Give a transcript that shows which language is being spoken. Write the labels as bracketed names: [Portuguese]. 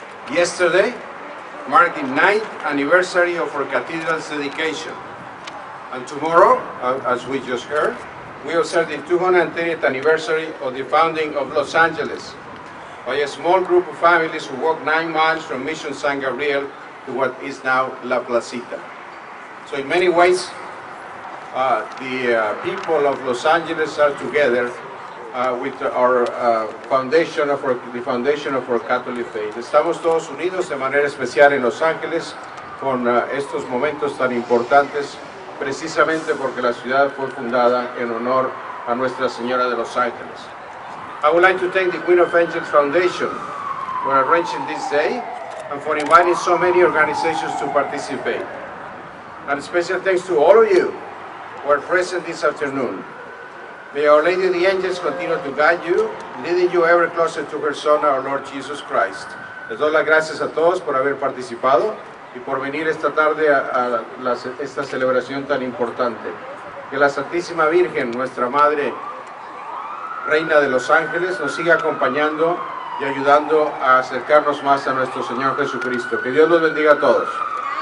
[English] Yesterday marked the 9th anniversary of our cathedral's dedication, and tomorrow, as we just heard, we observe the 230th anniversary of the founding of Los Angeles by a small group of families who walked 9 miles from Mission San Gabriel to what is now La Placita. So in many ways, the people of Los Angeles are together with our foundation of our, the foundation of our Catholic faith. [Spanish] Estamos todos unidos de manera especial en Los Angeles con estos momentos tan importantes, precisamente porque la ciudad fue fundada en honor a Nuestra Señora de Los Ángeles. [English] I would like to thank the Queen of Angels Foundation for arranging this day and for inviting so many organizations to participate. And special thanks to all of you who are present this afternoon. May Our Lady of the Angels continue to guide you, leading you ever closer to her Son, our Lord Jesus Christ. [Spanish] Les doy las gracias a todos por haber participado y por venir esta tarde a esta celebración tan importante. Que la Santísima Virgen, nuestra Madre, Reina de Los Ángeles, nos siga acompañando y ayudando a acercarnos más a nuestro Señor Jesucristo. Que Dios los bendiga a todos.